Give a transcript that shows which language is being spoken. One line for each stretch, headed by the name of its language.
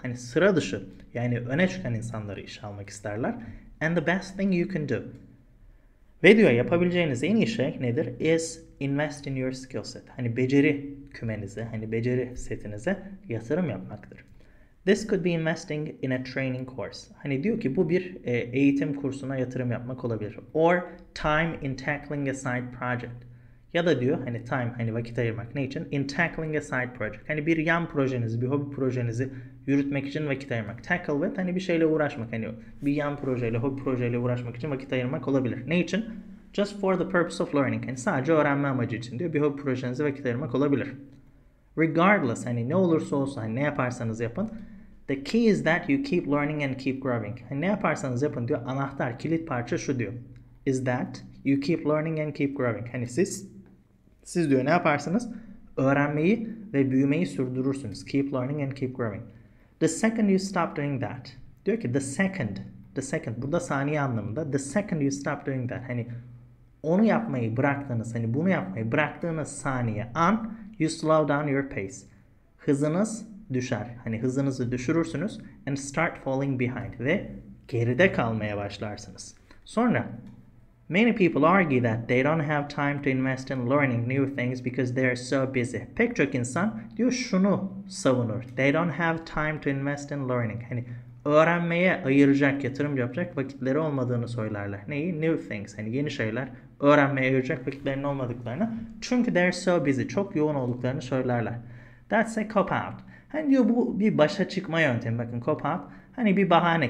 Turkish: Hani sıra dışı yani öne çıkan insanları işe almak isterler.
English: And the best thing you can do.
Turkish: Ve diyor yapabileceğiniz en iyi şey nedir?
English: Is invest in your skill set.
Turkish: Hani beceri kümenize, hani beceri setinize yatırım yapmaktır.
English: This could be investing in a training course.
Turkish: Hani diyor ki bu bir eğitim kursuna yatırım yapmak olabilir.
English: Or time in tackling a side project.
Turkish: Ya da diyor hani time hani vakit ayırmak ne için?
English: In tackling a side project.
Turkish: Hani bir yan projenizi, bir hobi projenizi yürütmek için vakit ayırmak.
English: Tackle with
Turkish: hani bir şeyle uğraşmak. Hani bir yan projeyle, hobi projeyle uğraşmak için vakit ayırmak olabilir. Ne için?
English: Just for the purpose of learning.
Turkish: Hani sadece öğrenme amacı için diyor bir hobi projenizi vakit ayırmak olabilir. Regardless hani ne olursa olsun hani ne yaparsanız yapın.
English: The key is that you keep learning and keep growing.
Turkish: Hani ne yaparsanız yapın diyor anahtar, kilit parça şu diyor.
English: Is that you keep learning and keep growing.
Turkish: Hani siz diyor ne yaparsınız? Öğrenmeyi ve büyümeyi sürdürürsünüz.
English: Keep learning and keep growing. The second you stop doing that.
Turkish: Diyor ki
English: the second.
Turkish: Burada saniye anlamında.
English: The second you stop doing that.
Turkish: Hani onu yapmayı bıraktığınız, hani bunu yapmayı bıraktığınız saniye, an,
English: you slow down your pace.
Turkish: Hızınız düşer. Hani hızınızı düşürürsünüz.
English: And start falling behind.
Turkish: Ve geride kalmaya başlarsınız. Sonra
English: many people argue that they don't have time to invest in learning new things because they are so busy.
Turkish: Pek çok insan diyor şunu savunur.
English: They don't have time to invest in learning.
Turkish: Hani öğrenmeye ayıracak, yatırım yapacak vakitleri olmadığını söylerler. Neyi?
English: New things.
Turkish: Hani yeni şeyler. Öğrenmeye ayıracak vakitlerinin olmadıklarını.
English: Çünkü they are so busy.
Turkish: Çok yoğun olduklarını söylerler.
English: That's a cop-out.
Turkish: Hani diyor bu bir başa çıkma yöntemi. Bakın cop-out. Hani bir bahane.